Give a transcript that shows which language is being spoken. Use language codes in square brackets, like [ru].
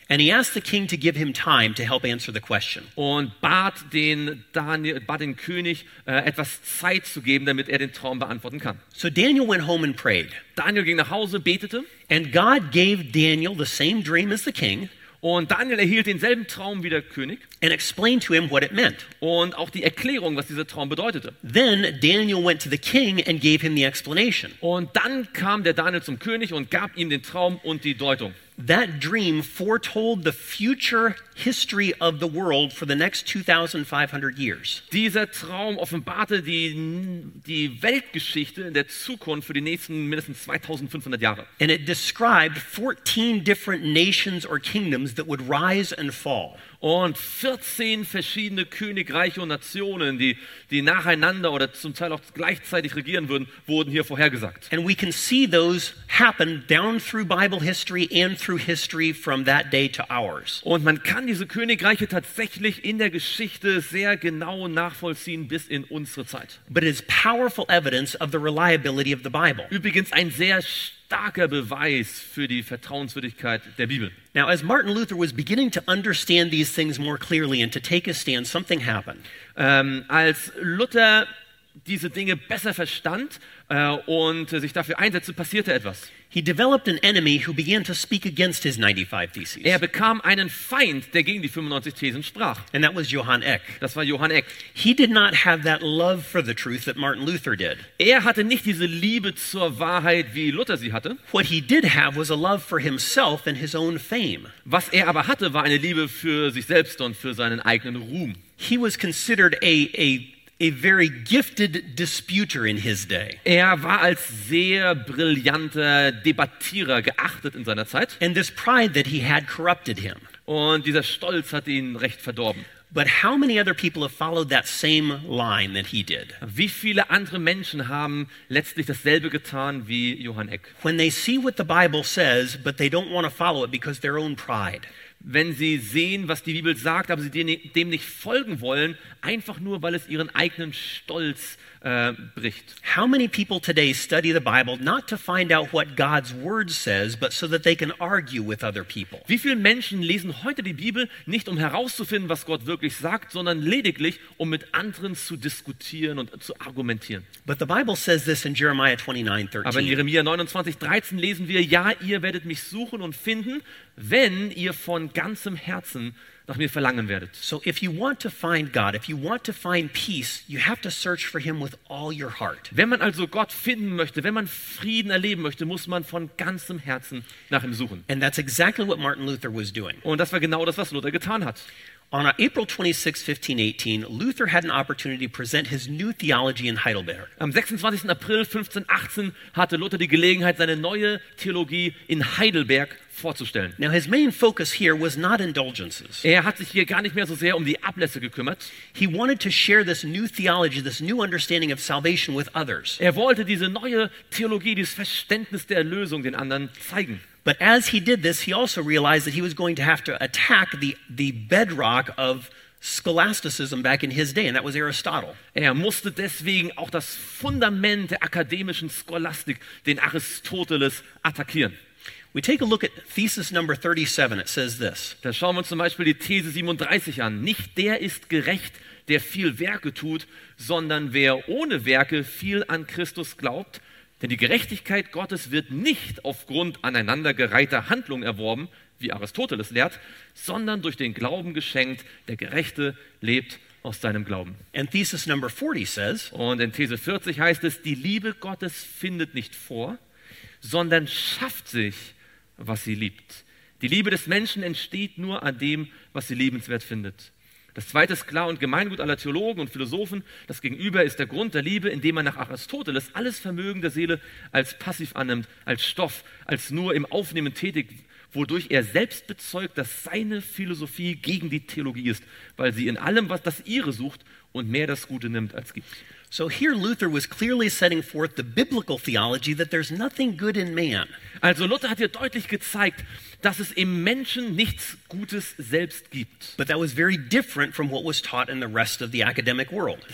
[en] And he asked the king to give him time to help answer the question. [de] Und bat den König etwas Zeit zu geben, damit er den Traum beantworten kann. [en] So Daniel went home and prayed. [de] Daniel ging nach Hause, betete. [en] And God gave Daniel the same dream as the king. [de] Und Daniel erhielt denselben Traum wie der König. [en] And explained to him what it meant. [de] Und auch die Erklärung, was dieser Traum bedeutete. [en] Then Daniel went to the king and gave him the explanation. [de] Und dann kam der Daniel zum König und gab ihm den Traum und die Deutung. [en] That dream foretold the future history of the world for the next 2500 years. [de] Dieser Traum offenbarte die Weltgeschichte in der Zukunft für die nächsten mindestens 2500 Jahre. [en] And it described 14 different nations or kingdoms that would rise and fall. [de] Und 14 verschiedene Königreiche und Nationen, die nacheinander oder zum Teil auch gleichzeitig regieren würden, wurden hier vorhergesagt. [en] And we can see those happen down through Bible history and through history from that day to ours. [de] Und man kann diese Königreiche tatsächlich in der Geschichte sehr genau nachvollziehen bis in unsere Zeit. [en] But it is powerful evidence of the reliability of the Bible. [de] Übrigens ein sehr starker Beweis für die Vertrauenswürdigkeit der Bibel. [en] Now, as Martin Luther was beginning to understand these things more clearly and to take a stand, something happened. [de] Als Luther diese Dinge besser verstand und sich dafür einsetzte, passierte etwas. [en] He developed an enemy who began to speak against his 95 theses. [de] Er bekam einen Feind, der gegen die 95 Thesen sprach. [en] And that was Johann Eck. [de] Das war Johann Eck. [en] He did not have that love for the truth that Martin Luther did. [de] Er hatte nicht diese Liebe zur Wahrheit, wie Luther sie hatte. [en] What he did have was a love for himself and his own fame. [de] Was er aber hatte, war eine Liebe für sich selbst und für seinen eigenen Ruhm. [en] He was considered a very gifted disputer in his day. [de] Er war als sehr brillanter Debattierer geachtet in seiner Zeit. [en] And this pride that he had corrupted him. [de] Und dieser Stolz hat ihn recht verdorben. [en] But how many other people have followed that same line that he did? [de] Wie viele andere Menschen haben letztlich dasselbe getan wie Johann Eck? [en] When they see what the Bible says, but they don't want to follow it because their own pride. [de] Wenn sie sehen, was die Bibel sagt, aber sie dem nicht folgen wollen, einfach nur, weil es ihren eigenen Stolz bricht. [en] How many people today study the Bible not to find out what God's word says, but so that they can argue with other people? [de] Wie viele Menschen lesen heute die Bibel nicht, um herauszufinden, was Gott wirklich sagt, sondern lediglich, um mit anderen zu diskutieren und zu argumentieren? [en] But the Bible says this in Jeremiah 29:13. [de] Aber in Jeremia 29:13 lesen wir: Ja, ihr werdet mich suchen und finden, wenn ihr von ganzem Herzen nach mir verlangen werdet. [en] So if you want to find God, if you want to find peace, you have to search for him with all your heart. [de] Wenn man also Gott finden möchte, wenn man Frieden erleben möchte, muss man von ganzem Herzen nach ihm suchen. [en] And that's exactly what Martin Luther was doing. [de] Und das war genau das, was Luther getan hat. [en] On April 26, 1518, Luther had an opportunity to present his new theology in Heidelberg. [de] Am 26. April 1518 hatte Luther die Gelegenheit, seine neue Theologie in Heidelberg vorzustellen. [en] Now his main focus here was not indulgences. [de] Er hat sich hier gar nicht mehr so sehr um die Ablässe gekümmert. [en] He wanted to share this new theology, this new understanding of salvation with others. [de] Er wollte diese neue Theologie, dieses Verständnis der Erlösung den anderen zeigen. [en] But as he did this, he also realized that he was going to have to attack the bedrock of scholasticism back in his day, and that was Aristotle. [de] Er musste deswegen auch das Fundament der akademischen Scholastik, den Aristoteles, attackieren. [en] We take a look at thesis number 37. It says this. [de] Da schauen wir uns zum Beispiel die These 37 an. Nicht der ist gerecht, der viel Werke tut, sondern wer ohne Werke viel an Christus glaubt. Denn die Gerechtigkeit Gottes wird nicht aufgrund aneinandergereihter Handlung erworben, wie Aristoteles lehrt, sondern durch den Glauben geschenkt. Der Gerechte lebt aus seinem Glauben. [en] And thesis number 40 says, [de] und in These 40 heißt es, die Liebe Gottes findet nicht vor, sondern schafft sich, was sie liebt. Die Liebe des Menschen entsteht nur an dem, was sie liebenswert findet. Das Zweite ist klar und Gemeingut aller Theologen und Philosophen. Das Gegenüber ist der Grund der Liebe, indem man nach Aristoteles alles Vermögen der Seele als passiv annimmt, als Stoff, als nur im Aufnehmen tätig, wodurch er selbst bezeugt, dass seine Philosophie gegen die Theologie ist, weil sie in allem, was das ihre sucht, und mehr das Gute nimmt als gibt. [en] So here Luther was clearly setting forth the biblical theology that there's nothing good in man. [de] Also Luther hat hier deutlich gezeigt, dass es im Menschen nichts Gutes selbst gibt. [en] But that was very different from what was taught in the rest of the academic world.